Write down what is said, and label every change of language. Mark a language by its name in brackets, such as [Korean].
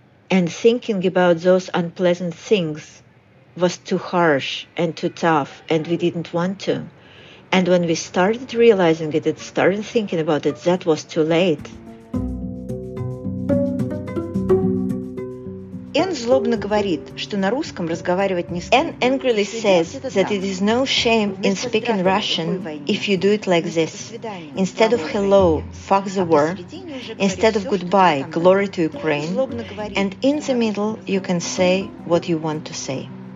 [English] And thinking about those unpleasant things was too harsh and too tough, and we didn't want to. And when we started realizing it and started thinking about it, that was too late. [Russian] Н злобно говорит, что на русском разговаривать не стоит. [English] Н angrily says that it is no shame in speaking Russian if you do it like this. Instead of hello, fuck the war. Instead of goodbye, glory to Ukraine. And in the middle, you can say what you want to say.